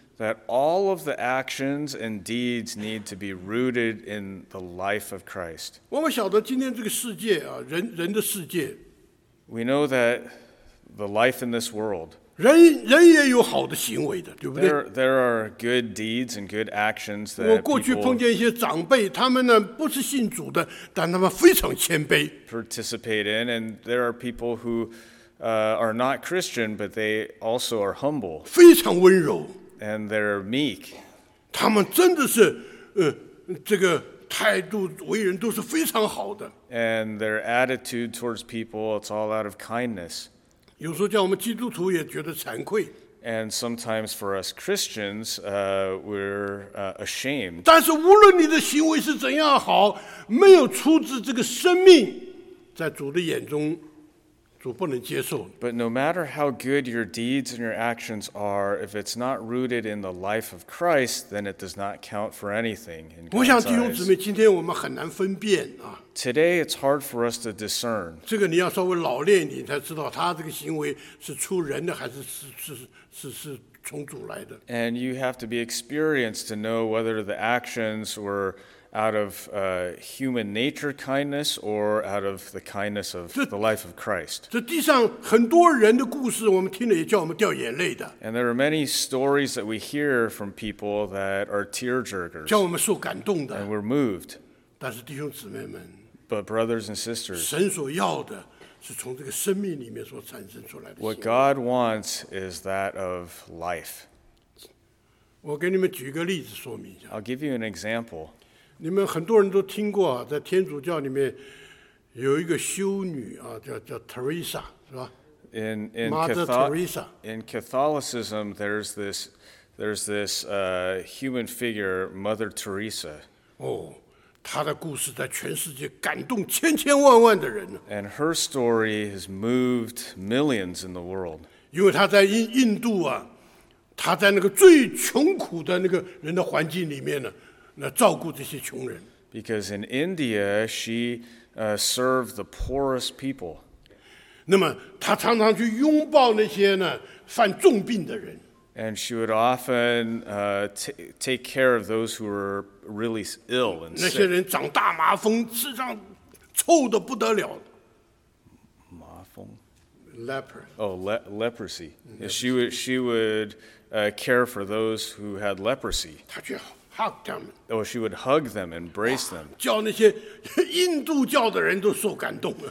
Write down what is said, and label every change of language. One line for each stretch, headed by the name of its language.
English: That all of the actions and deeds need to be rooted in the life of Christ.
Chinese: 我们晓得今天这个世界啊，人的世界。
English: We know that the life in this world.
Chinese: 人也有好的行为的，对不对？
English: There are good deeds and good actions that people.
Chinese: 我过去碰见一些长辈，他们呢不是信主的，但他们非常谦卑。
English: Participate in, and there are people who, are not Christian, but they also are humble.
Chinese: 非常温柔。
English: And they're meek.
Chinese: 他们真的是，这个态度为人都是非常好的。
English: And their attitude towards people, it's all out of kindness.
Chinese: 有时候叫我们基督徒也觉得惭愧。
English: And sometimes for us Christians, we're ashamed.
Chinese: 但是无论你的行为是怎样好，没有出自这个生命，在主的眼中，主不能接受。
English: But no matter how good your deeds and your actions are, if it's not rooted in the life of Christ, then it does not count for anything in God's eyes.
Chinese: 我想弟兄姊妹，今天我们很难分辨啊。
English: Today it's hard for us to discern.
Chinese: 这个你要稍微老练一点，才知道他这个行为是出人的还是是从主来的。
English: And you have to be experienced to know whether the actions were out of human nature kindness or out of the kindness of the life of Christ.
Chinese: 这地上很多人的故事，我们听了也叫我们掉眼泪的。
English: And there are many stories that we hear from people that are tearjerkers.
Chinese: 叫我们受感动的。
English: And we're moved.
Chinese: 但是弟兄姊妹们，
English: But brothers and sisters,
Chinese: 神所要的是从这个生命里面所产生出来的行为。
English: What God wants is that of life.
Chinese: 我给你们举一个例子说明一下。
English: I'll give you an example.
Chinese: 你们很多人都听过，在天主教里面有一个修女啊，叫 Teresa， 是吧？
English: Mother Teresa. In Catholicism, there's this human figure, Mother Teresa. Oh.
Chinese: 她的故事在全世界感动千千万万的人。
English: And her story has moved millions in the world.
Chinese: 因为她在印度啊，她在那个最穷苦的那个人的环境里面呢，来照顾这些穷人。
English: Because in India, she served the poorest people.
Chinese: 那么她常常去拥抱那些呢犯重病的人。
English: And she would often take care of those who were really ill and sick.
Chinese: 那些人长大麻风，身上臭得不得了。麻风？
English: leper. Oh, leprosy. Leprosy. She would care for those who had leprosy. Hug them. Oh, she would hug them, embrace them.
Chinese: 叫那些印度教的人都受感动。